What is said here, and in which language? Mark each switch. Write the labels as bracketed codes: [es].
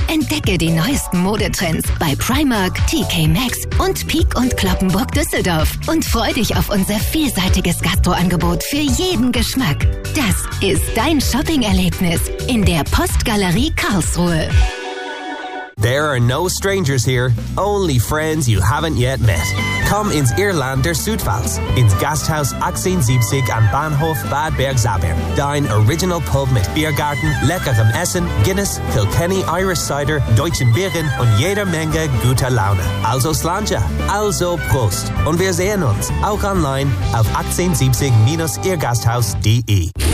[de] Entdecke die neuesten Modetrends bei Primark, TK Maxx und Peek & Cloppenburg Düsseldorf. Und freu dich auf unser vielseitiges Gastroangebot für jeden Geschmack. Das ist dein Shopping-Erlebnis in der Postgalerie Karlsruhe. [en] There are no strangers here, only friends you haven't yet met. Come [de] ins Irland der Südpfalz, ins Gasthaus 1870 am Bahnhof Bad Bergzabern. Dein original Pub mit Biergarten, leckerem Essen, Guinness, Kilkenny Irish Cider, deutschen Bieren und jeder Menge guter Laune. Also Slange, also Prost. Und wir sehen uns auch online auf 1870-irgasthaus.de.